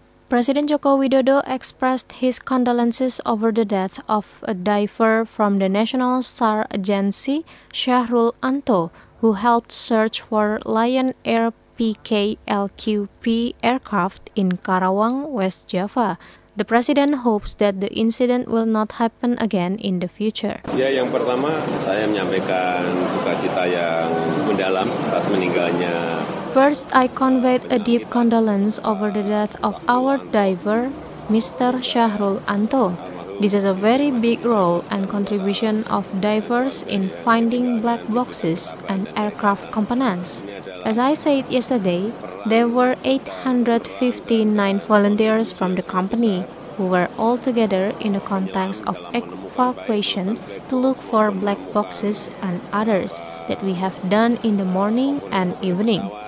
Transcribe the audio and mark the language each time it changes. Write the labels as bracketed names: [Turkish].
[English] President Joko Widodo expressed his condolences over the death of a diver from the National SAR Agency, Syahrul Anto, who helped search for Lion Air PKLQP aircraft in Karawang, West Java. The President hopes that the incident will not happen again in the future. [Indonesian] Ya, yang pertama saya menyampaikan duka cita yang mendalam atas meninggalnya. [English] First, I conveyed a deep condolence over the death of our diver, Mr. Syahrul Anto. This is a very big role and contribution of divers in finding black boxes and aircraft components. As I said yesterday, there were 859 volunteers from the company who were all together in the context of evacuation to look for black boxes and others that we have done in the morning and evening.